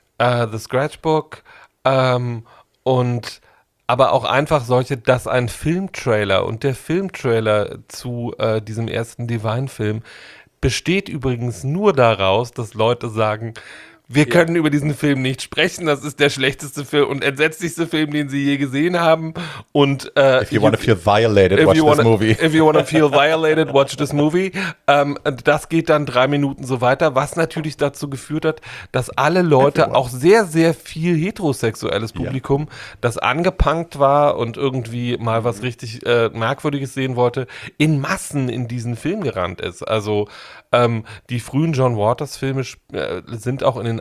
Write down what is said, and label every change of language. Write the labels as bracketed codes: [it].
[de] The Scratchbook, und aber auch einfach solche, dass ein Filmtrailer und der Filmtrailer zu diesem ersten Divine-Film besteht übrigens nur daraus, dass Leute sagen, wir können über diesen Film nicht sprechen, das ist der schlechteste Film und entsetzlichste Film, den sie je gesehen haben. Und [en] if you want to feel violated, watch this movie. If you want to feel violated, watch this movie. [de] Das geht dann 3 Minuten so weiter, was natürlich dazu geführt hat, dass alle Leute, auch sehr, sehr viel heterosexuelles Publikum, das angepunkt war und irgendwie mal was richtig Merkwürdiges sehen wollte, in Massen in diesen Film gerannt ist. Also die frühen John Waters Filme sind auch in den